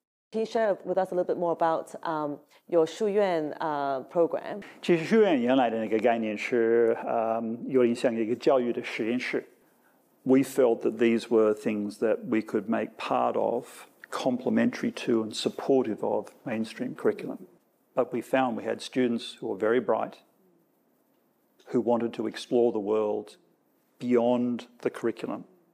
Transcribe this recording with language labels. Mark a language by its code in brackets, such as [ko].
[en] Can you share with us a little bit more about your 书院 program? [zh] 其实书院原来的那个概念是有点像一个教育的实验室. [en] We felt that these were things that we could make part of, complementary to and supportive of mainstream curriculum. But we found we had students who were very bright, who wanted to explore the world beyond the curriculum.